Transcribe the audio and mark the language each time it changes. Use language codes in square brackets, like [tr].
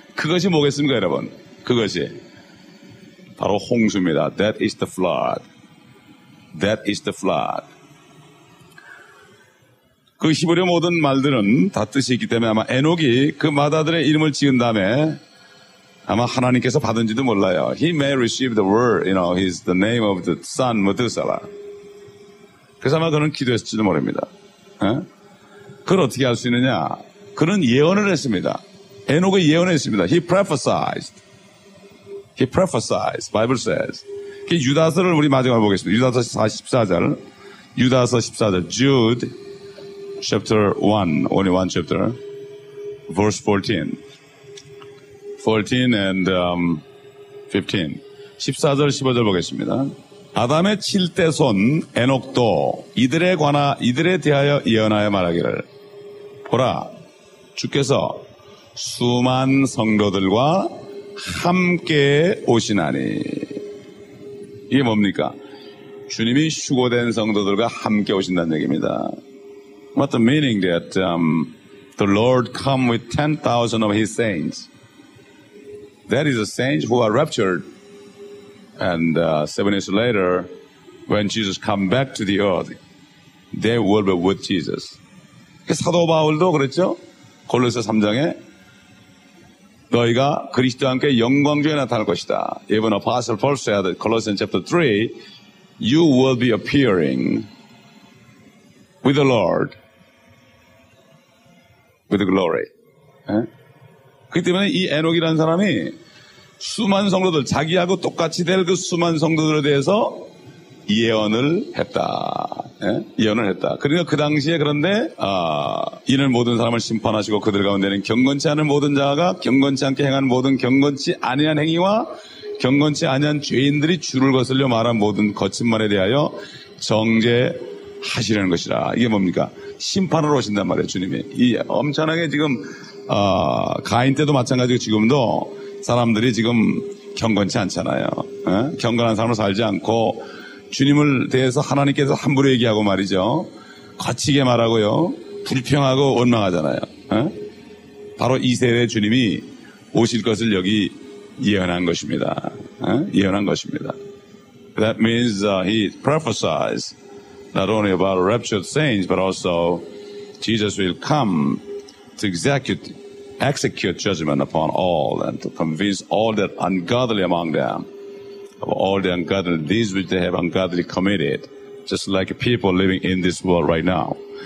[ko] 그것이 뭐겠습니까, 여러분? 그것이 바로 홍수입니다. [en] That is the flood. That is the flood. [ko] 그 히브리어 모든 말들은 다 뜻이 있기 때문에 아마 에녹이 그 마다들의 이름을 지은 다음에 아마 하나님께서 받은지도 몰라요. [en] He may receive the word, you know, he's the name of the son, Methuselah. [ko] 그래서 아마 그는 기도했을지도 모릅니다. 그걸 어떻게 알 수 있느냐? 그는 예언을 했습니다. 에녹이 예언했습니다. [en] He prophesied. He prophesied, Bible says. [ko] 그 유다서를 우리 마지막으로 보겠습니다. 유다서 14절. [en] Jude chapter 1, only one chapter, verse 14. 14 and 15. [ko] 14절, 15절 보겠습니다. 아담의 칠대손 에녹도 이들에 대하여 예언하여 말하기를 보라, 주께서 수만 성도들과 함께 오시나니. 이게 뭡니까? 주님이 휴고된 성도들과 함께 오신다는 얘기입니다. [en] What the meaning that the Lord come with 10,000 of his saints? That is the saints who are raptured and 7 years later when Jesus come back to the earth they will be with Jesus. [ko] 사도 바울도 그랬죠? 골로새 3장에 너희가 그리스도와 함께 영광 중에 나타날 것이다. [en] Even Apostle Paul said in Colossians chapter 3, you will be appearing with the Lord, with the glory. [ko] 그렇기 때문에 이 에녹이라는 사람이 수만 성도들, 자기하고 똑같이 될 그 수만 성도들에 대해서 예언을 했다. 그러니까 그 당시에 그런데 이는 모든 사람을 심판하시고 그들 가운데는 경건치 않은 모든 자가 경건치 않게 행한 모든 경건치 아니한 행위와 경건치 아니한 죄인들이 주를 거슬려 말한 모든 거친 말에 대하여 정죄하시려는 것이라. 이게 뭡니까? 심판을 오신단 말이에요. 주님이 이 엄청나게 지금 가인 때도 마찬가지고 지금도 사람들이 지금 경건치 않잖아요. 경건한 삶을 살지 않고 주님을 대해서 하나님께서 함부로 얘기하고 말이죠. 거치게 말하고요. 불평하고 원망하잖아요. 바로 이 세대의 주님이 오실 것을 여기 예언한 것입니다. [en] That means he prophesies not only about raptured saints but also Jesus will come to execute judgment upon all and to convince all that ungodly among them of all the ungodly deeds which they have ungodly committed, just like people living in this world right now.